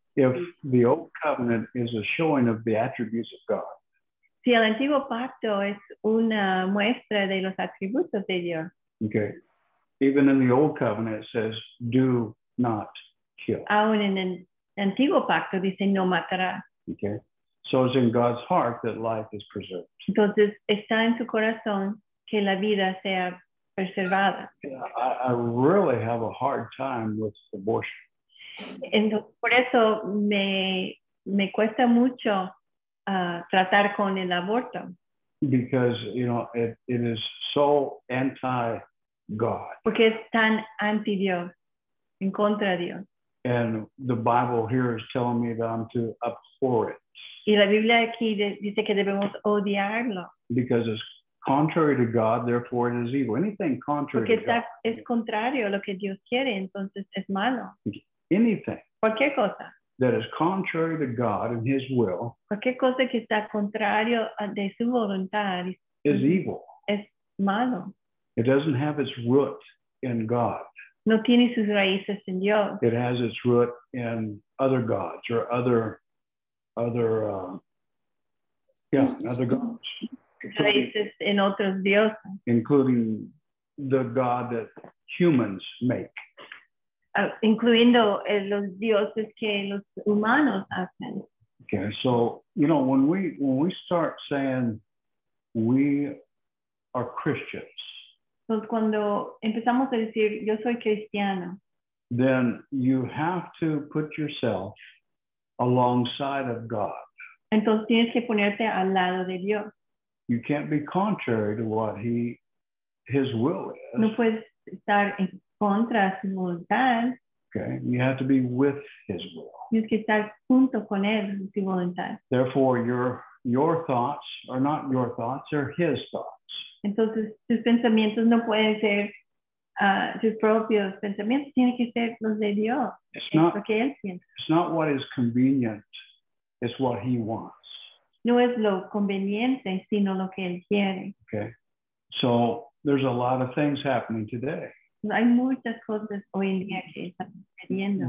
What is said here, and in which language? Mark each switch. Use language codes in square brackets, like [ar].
[en] If the old covenant is a showing of the attributes of God. [es] Si el antiguo pacto es una muestra de los atributos de Dios. [en] Okay. Even in the old covenant it says, do not kill. [es] Aún en el antiguo pacto dice, no matarás. [en] Okay. So it's in God's heart that life is preserved. [es] Entonces está en su corazón que la vida sea preservada. [en] I really have a hard time with abortion. [es] Entonces, por eso me cuesta mucho tratar con el aborto. [en] Because, you know, it is so anti-God. [es] Porque es tan anti-Dios, en contra de Dios. [en] And the Bible here is telling me that I'm to abhor it. [es] Y la Biblia aquí dice que debemos odiarlo. [en] Because it's contrary to God, therefore it is evil. Anything contrary [es] porque [en] to God. [es] Porque es contrario a lo que Dios quiere, entonces es malo. [en] Anything. [es] Cualquier cosa. [en] That is contrary to God and His will. [es] Cualquier cosa que está contrario de su voluntad. [en] Is evil. [es] Es malo. [en] It doesn't have its root in God. [es] No tiene sus raíces en Dios. [en] It has its root in other gods or other gods. [es] Raíces en otros dioses. [en] Including the God that humans make. [es] Incluyendo los dioses que los humanos hacen. [en] Okay, so, you know, when we start saying we are Christians. [es] Entonces, cuando empezamos a decir yo soy cristiano. [en] Then you have to put yourself alongside of God. [es] Entonces tienes que ponerte al lado de Dios. [en] You can't be contrary to what his will is. [es] No puedes estar en contra su voluntad. [en] Okay, you have to be with his will. [es] Tienes que estar junto con él en su voluntad. [en] Therefore, your thoughts are not your thoughts, they're his thoughts. [es] Entonces, tus pensamientos no pueden ser sus propios pensamientos, tienen que ser los de Dios. [en] It's not [es] lo que él siente. [en] It's not what is convenient, it's what he wants. [es] No es lo conveniente, sino lo que él quiere. [en] Okay, so there's a lot of things happening today. [es] Hay muchas cosas hoy en día que están sucediendo.